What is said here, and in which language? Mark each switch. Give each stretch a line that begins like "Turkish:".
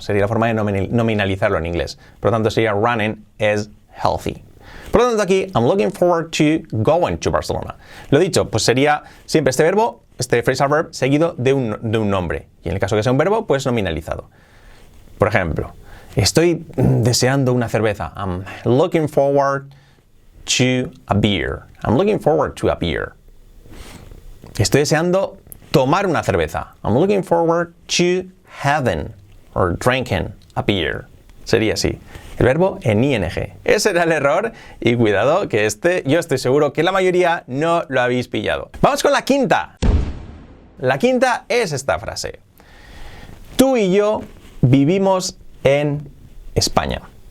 Spanish: Sería la forma de nominalizarlo en inglés. Por lo tanto, sería
English: running is healthy.
Spanish: Por lo tanto, aquí,
English: I'm looking forward to going to Barcelona.
Spanish: Lo dicho, pues sería siempre este verbo, este phrasal verb, seguido de un nombre. Y en el caso que sea un verbo, pues nominalizado. Por ejemplo, estoy deseando una cerveza.
English: I'm looking forward to a beer. I'm looking forward to a beer.
Spanish: Estoy deseando tomar una cerveza.
English: I'm looking forward to having or drinking a beer.
Spanish: Sería así. El verbo en ing. Ese era el error y cuidado que este, yo estoy seguro que la mayoría no lo habéis pillado. ¡Vamos con la quinta! La quinta es esta frase. Tú y yo vivimos en España.